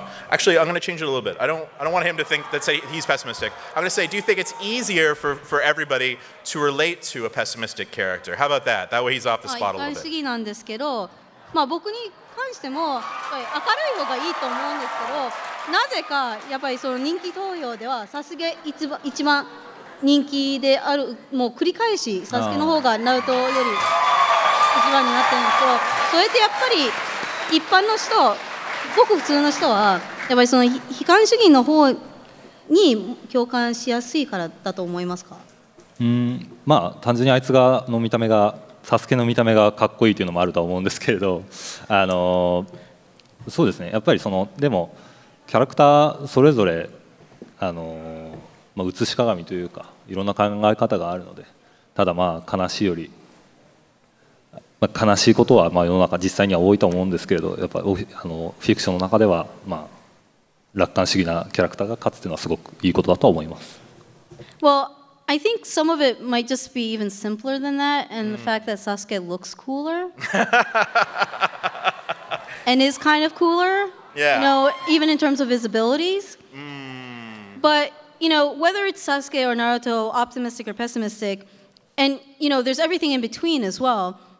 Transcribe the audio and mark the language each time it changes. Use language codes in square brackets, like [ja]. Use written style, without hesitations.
[en] Actually, I'm going to change it a little bit. I don't want him to think that say he's pessimistic. I'm going to say, do you think it's easier for everybody to relate to a pessimistic character? How about that? That way he's off the spot a little bit. [ja] 関してもやっぱり明るい方がいいと思うんですけど、なぜかやっぱりその人気投票ではサスケ一番人気である、もう繰り返しサスケの方がナルトより一番になってるんですけど、それってやっぱり一般の人、ごく普通の人はやっぱりその悲観主義の方に共感しやすいからだと思いますか？まあ単純にあいつがの見た目が、サスケの見た目がかっこいいというのもあると思うんですけれど、そうですね、やっぱりそのでもキャラクターそれぞれ映し鏡というかいろんな考え方があるので、ただまあ悲しいより、まあ、悲しいことはまあ世の中実際には多いと思うんですけれど、やっぱあのフィクションの中ではまあ楽観主義なキャラクターが勝つというのはすごくいいことだと思います。 [en] Well, I think some of it might just be even simpler than that, and the fact that Sasuke looks cooler and is kind of cooler, yeah, you know, even in terms of his abilities. But you know, whether it's Sasuke or Naruto, optimistic or pessimistic, and you know, there's everything in between as well.